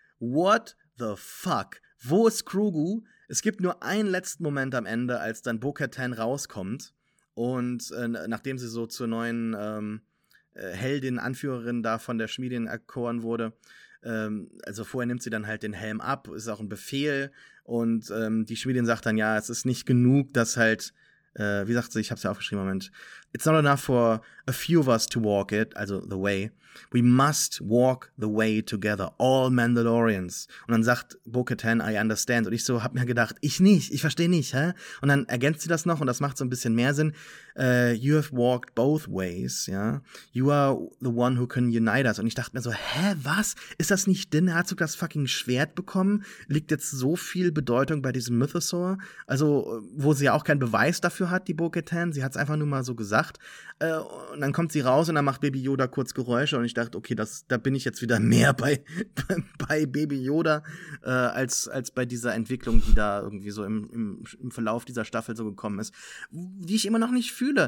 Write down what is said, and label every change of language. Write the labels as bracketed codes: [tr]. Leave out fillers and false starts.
[en] What the fuck? [de] Wo ist Grogu? Es gibt nur einen letzten Moment am Ende, als dann Bo-Katan rauskommt und nachdem sie so zur neuen Heldin, Anführerin da von der Schmiedin erkoren wurde. Also vorher nimmt sie dann halt den Helm ab, ist auch ein Befehl. Und die Schmiedin sagt dann, ja, es ist nicht genug, dass halt, wie sagt sie, ich hab's ja aufgeschrieben, Moment. [en] It's not enough for a few of us to walk it, also the way. We must walk the way together, all Mandalorians. [de] Und dann sagt Bo-Katan, [en] I understand. [de] Und ich so hab mir gedacht, ich nicht, ich verstehe nicht, hä? Und dann ergänzt sie das noch und das macht so ein bisschen mehr Sinn. [en] You have walked both ways, ja? Yeah? You are the one who can unite us. [de] Und ich dachte mir so, hä, was? Ist das nicht Din Herzog, das fucking Schwert bekommen? Liegt jetzt so viel Bedeutung bei diesem Mythosaur? Also, wo sie ja auch keinen Beweis dafür hat, die Bo-Katan. Sie hat's einfach nur mal so gesagt. Und dann kommt sie raus und dann macht Baby Yoda kurz Geräusche und ich dachte, okay, da bin ich jetzt wieder mehr bei Baby Yoda als bei dieser Entwicklung, die da irgendwie so im Verlauf dieser Staffel so gekommen ist, die ich immer noch nicht fühle.